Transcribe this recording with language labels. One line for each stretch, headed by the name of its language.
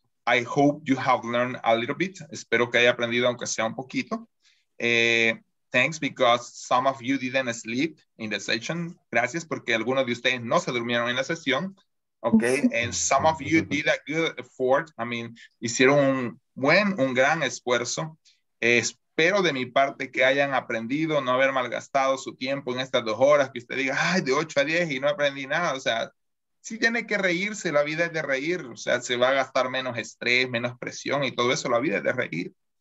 English: I hope you have learned a little bit.
Spanish: Espero que haya aprendido, aunque sea un poquito.
English: Thanks, because some of you didn't sleep in the session.
Spanish: Gracias, porque algunos de ustedes no se durmieron en la sesión.
English: Okay, and some of you did a good effort. I mean,
Spanish: hicieron un gran esfuerzo. Espero de mi parte que hayan aprendido, no haber malgastado su tiempo en estas 2 horas, que usted diga, ay, de 8 a 10 y no aprendí nada. O sea, sí tiene que reírse, la vida es de reír. O sea, se va a gastar menos estrés, menos presión y todo eso, la vida es de reír.